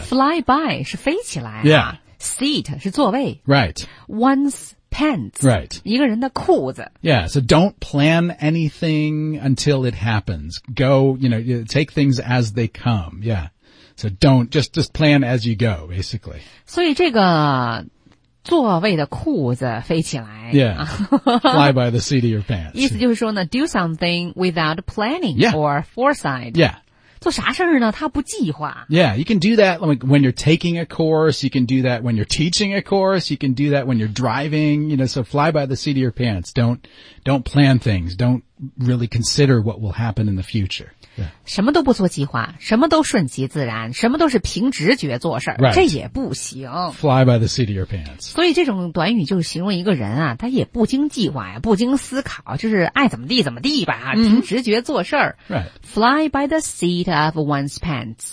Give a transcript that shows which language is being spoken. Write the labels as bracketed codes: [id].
[zh] Fly by 是飞起来、啊。 [en] Yeah. [zh] Seat 是座位。 [en] Right. One's pants. Right. [zh] 一个人的裤子。 [en] Yeah, so don't plan anything until it happens. Go, you know, take things as they come. Yeah. So don't, just plan as you go, basically. [zh] 所以这个座位的裤子飞起来。 [en] Yeah. Fly by the seat of your pants. [zh] 意思就是说呢 [en] do something without planning、 yeah. or foresight. Yeah. [zh] 做啥事儿呢他不计划。 [en] Yeah, you can do that when you're taking a course, you can do that when you're teaching a course, you can do that when you're driving, you know, so fly by the seat of your pants. Don't plan things. Don't really consider what will happen in the future.、Yeah. [zh] 什么都不做计划什么都顺其自然什么都是凭直觉做事、 [en] right. [zh] 这也不行。 [en] Fly by the seat of your pants. [zh] 所以这种短语就是形容一个人啊他也不经计划呀不经思考就是爱怎么地怎么地吧、 mm-hmm. 凭直觉做事。 [en] Right. Fly by the seat of one's pants.